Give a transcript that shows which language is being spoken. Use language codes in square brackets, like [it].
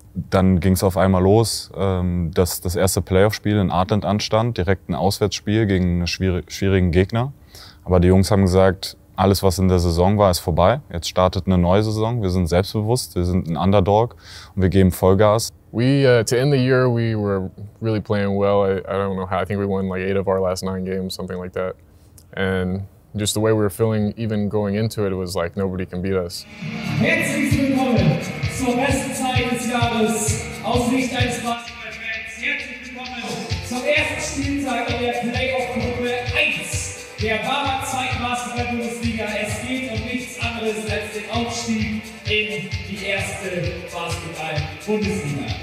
[de] Dann ging es auf einmal los, dass das erste Playoff-Spiel in Adland anstand, direkt ein Auswärtsspiel gegen einen schwierigen Gegner. Aber die Jungs haben gesagt, alles, was in der Saison war, ist vorbei. Jetzt startet eine neue Saison. Wir sind selbstbewusst, wir sind ein Underdog und wir geben Vollgas. [en] To end the year, we were really playing well. I don't know how. I think we won like 8 of our last 9 games, something like that. And just the way we were feeling, even going into it, was like nobody can beat us. [de] Herzlich willkommen zur besten Zeit des Jahres aus Sicht eines Basketballfans. Herzlich willkommen zum ersten Spieltag in der Playoff-Gruppe 1. Der Barmer Zweig Basketball-Bundesliga. Es geht um nichts anderes als den Aufstieg in die erste Basketball-Bundesliga.